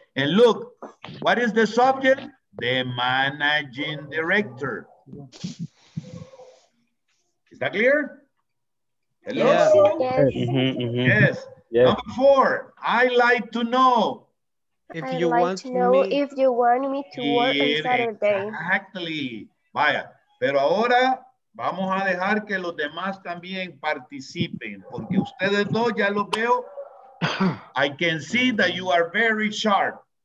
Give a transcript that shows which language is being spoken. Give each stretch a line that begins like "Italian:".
English: And look, what is the subject? The managing director. Is that clear? Hello? Yes. Yes. Number four, I like to know. if you want to know if you want me to work on Saturday. Exactly.
Spanish: Vaya, pero ahora vamos a dejar que los demás también participen, porque ustedes dos ya los veo.
English: I can see that you are very sharp.